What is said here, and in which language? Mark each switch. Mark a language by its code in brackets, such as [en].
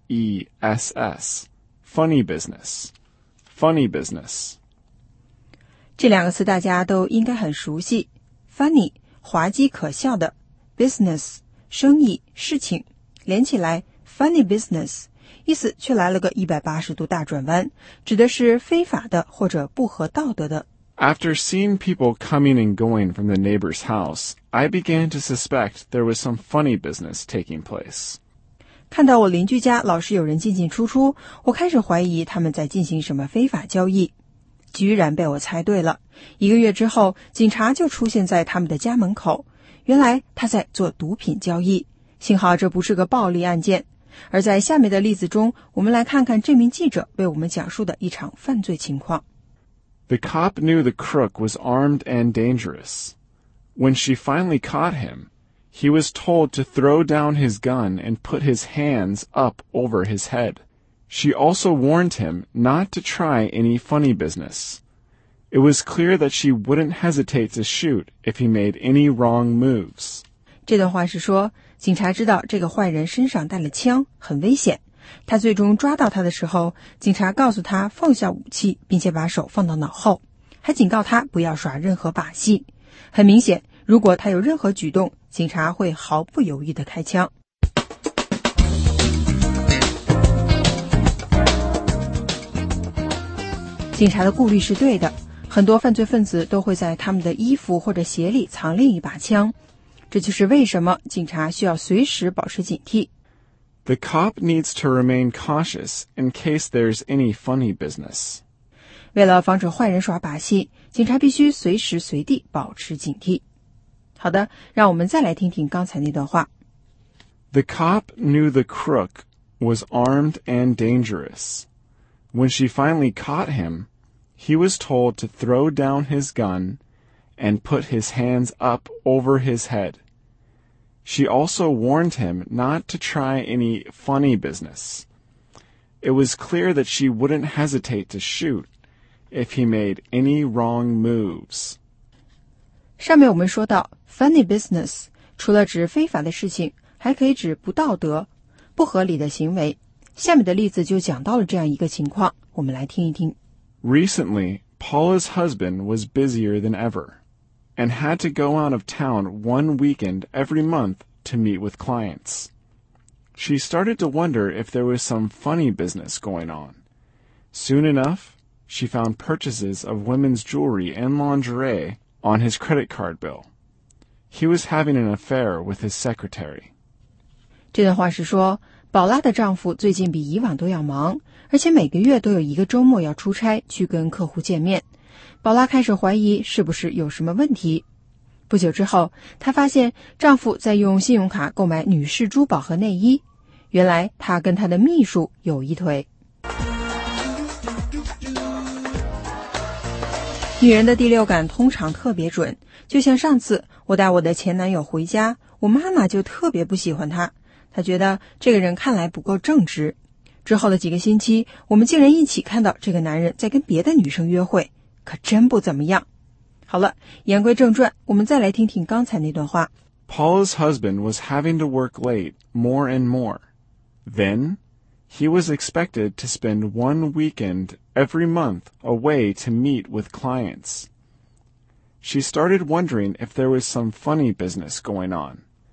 [en] E-S-S, funny business, funny business. [zh] 这两个词大家都应该很熟悉。Funny, 滑稽可笑的。 Business, 生意、事情。连起来 ,funny business, 意思却来了个180度大转弯，指的是非法的或者不合道德的。 [en] After seeing people coming and going from the neighbor's house, I began to suspect there was some funny business taking place. [zh] 看到我邻居家老是有人进进出出，我开始怀疑他们在进行什么非法交易。居然被我猜对了。一个月之后，警察就出现在他们的家门口。原来他在做毒品交易。幸好这不是个暴力案件。而在下面的例子中，我们来看看这名记者为我们讲述的一场犯罪情况。 [en] The cop knew the crook was armed and dangerous. When she finally caught him,He was told to throw down his gun and put his hands up over his head. She also warned him not to try any funny business. It was clear that she wouldn't hesitate to shoot if he made any wrong moves. [zh] 这段话是说，警察知道这个坏人身上带了枪，很危险，他最终抓到他的时候，警察告诉他放下武器，并且把手放到脑后，还警告他不要耍任何把戏。很明显，如果他有任何举动，警察会毫不犹豫地开枪。警察的顾虑是对的，很多犯罪分子都会在他们的衣服或者鞋里藏另一把枪，这就是为什么警察需要随时保持警惕。 [en] The cop needs to remain cautious in case there's any funny business. [zh] 为了防止坏人耍把戏，警察必须随时随地保持警惕。好的，让我们再来听听刚才那段话。 [en] The cop knew the crook was armed and dangerous. When she finally caught him, he was told to throw down his gun and put his hands up over his head. She also warned him not to try any funny business. It was clear that she wouldn't hesitate to shoot if he made any wrong moves. [zh] 上面我们说到 funny business 除了指非法的事情，还可以指不道德、不合理的行为。下面的例子就讲到了这样一个情况，我们来听一听。 [en] Recently, Paula's husband was busier than ever, and had to go out of town one weekend every month to meet with clients. She started to wonder if there was some funny business going on. Soon enough, she found purchases of women's jewelry and lingerie on his credit card bill. He was having an affair with his secretary. [zh] 这段话是说宝拉的丈夫最近比以往都要忙，而且每个月都有一个周末要出差去跟客户见面。宝拉开始怀疑是不是有什么问题。不久之后，她发现丈夫在用信用卡购买女士珠宝和内衣。原来她跟她的秘书有一腿。女人的第六感通常特别准，就像上次我带我的前男友回家，我妈妈就特别不喜欢他。他觉得这个人看来不够正直。之后的几个星期，我们竟然一起看到这个男人在跟别的女生约会，可真不怎么样。好了，言归正传，我们再来听听刚才那段话。 [en] Paula's husband was having to work late more and more. Then, he was expected to spend one weekend every month away to meet with clients. She started wondering if there was some funny business going on.